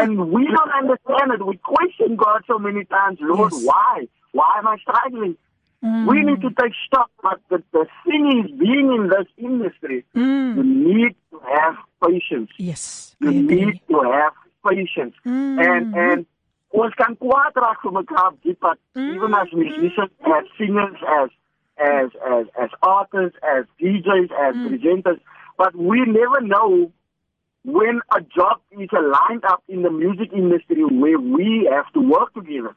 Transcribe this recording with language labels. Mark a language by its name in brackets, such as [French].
[English] And we don't understand it. We question God so many times. Lord, why? Why am I struggling? We need to take stock. But the thing is, being in this industry, you need to have patience. Yes. You need to have patience. [Afrikaans] And ons kan kwaad raak vir mekaar die pad. [English] Even as musicians, as singers, as artists, as DJs, as presenters. But we never know when a job is lined up in the music industry where we have to work together.